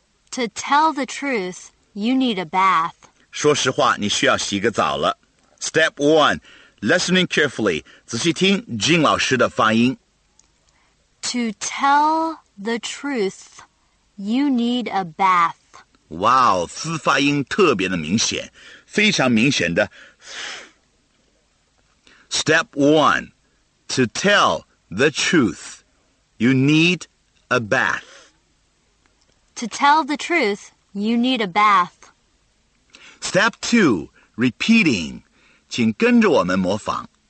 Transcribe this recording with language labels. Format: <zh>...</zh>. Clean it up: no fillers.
<en>To tell the truth, you need a bath.</en> <zh>说实话,你需要洗个澡了。</zh> <en>Step 1. Listening carefully.</en> <zh>仔细听金老师的发音。</zh> <en>To tell the truth, you need a bath.</en> <zh>哇哦，嘶发音特别的明显，非常明显的。</zh> <en>Step 1. To tell the truth, you need a bath. To tell the truth, you need a bath. Step 2. Repeating.</en> <zh>请跟着我们模仿。</zh>